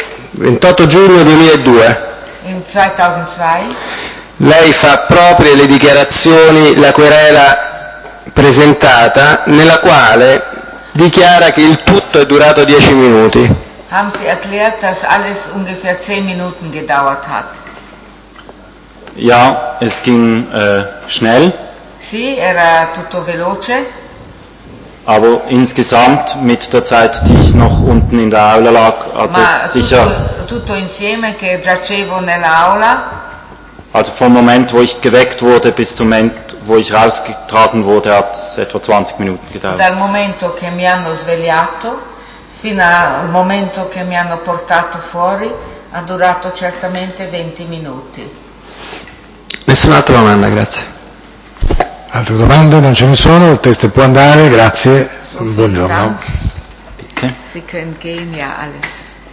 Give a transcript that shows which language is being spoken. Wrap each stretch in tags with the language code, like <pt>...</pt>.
<it>28 giugno 2002.</it> <de>In 2002</de> <it>lei fa proprie le dichiarazioni, la querela presentata nella quale dichiara che il tutto è durato 10 minuti.</it> <de>Haben Sie erklärt, dass alles ungefähr 10 Minuten gedauert hat? Ja, es ging schnell.</de> <it>Sì, era tutto veloce.</it> <de>Aber insgesamt mit der Zeit, die ich noch unten in der Aula lag, hat</de> <it>Ma</it> <de>es sicher</de> <it>tutto insieme che giacevo nell'aula.</it> <de>Also vom Moment, wo ich geweckt wurde, bis zum Moment, wo ich rausgetragen wurde, hat es etwa 20 Minuten gedauert.</de> <it>Dal momento che mi hanno svegliato fino al momento che mi hanno portato fuori ha durato certamente 20 minuti. Nessun'altra domanda, grazie. Altre domande? Non ce ne sono, il test può andare, grazie. Buongiorno.</it> <de>Sie können gehen, ja, alles.</de>